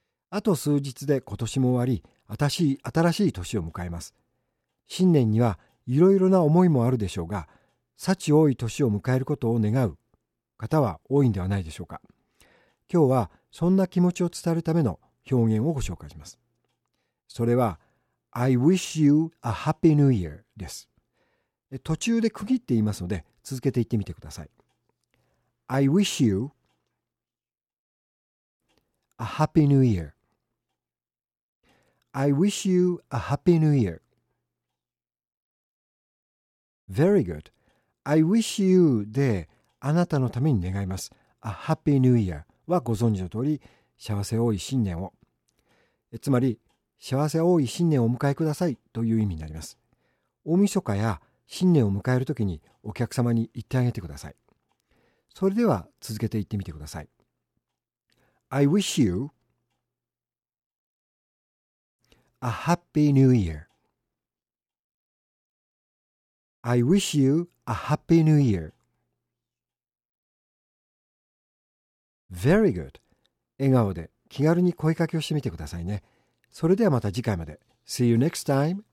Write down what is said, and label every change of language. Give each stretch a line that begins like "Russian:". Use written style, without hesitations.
Japanese: あと数日で今年も終わり、新しい年を迎えます。新年にはいろいろな思いもあるでしょうが、幸多い年を迎えることを願う方は多いんではないでしょうか。今日はそんな気持ちを伝えるための表現をご紹介します。それは
English: I wish you a happy new year
Japanese: です。途中で区切って言いますので続けて言ってみてください。
English: I wish you a happy new year. I wish you a happy new year. Very goodI wish you
Japanese: であなたのために願います。
English: A happy new year
Japanese: はご存知の通り、幸せ多い新年を。つまり、幸せ多い新年をお迎えくださいという意味になります。大晦日や新年を迎えるときにお客様に言ってあげてください。それでは続けて言ってみてください。
English: I wish you a happy new year. I wish you a happy new year. Very good.
Japanese: 笑顔で気軽に声かけをしてみてくださいね。それではまた次回まで。
English: See you next time.